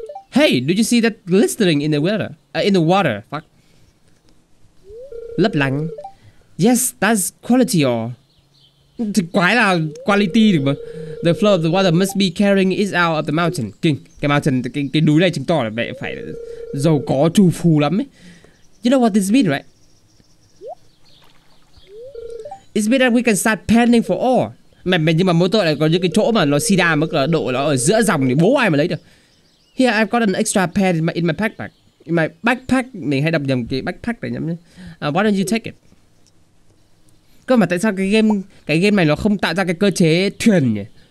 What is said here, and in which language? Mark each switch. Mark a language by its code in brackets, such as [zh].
[en] Hey, did you see that glistening in the water? Fuck. [vi] Lấp lánh. [en] Yes, that's quality ore. [vi] Quái là quality được mà. [en] The flow of the water must be carrying it out of the mountain. [vi] Kinh, cái mountain, cái núi này chứng tỏ là mẹ phải giàu có trù phù lắm ấy. [en] You know what this means, right? It means that we can start panning for ore. [vi] Mẹ, nhưng mà mỗi tội là có những cái chỗ mà nó sida mức là độ nó ở giữa dòng thì bố ai mà lấy được. [en] Here I've got an extra pen in my backpack. In my backpack, [vi] mình hay đọc nhầm cái backpack này nhầm. [en] Why don't you take it? [vi] Cơ mà tại sao cái game này nó không tạo ra cái cơ chế thuyền nhỉ?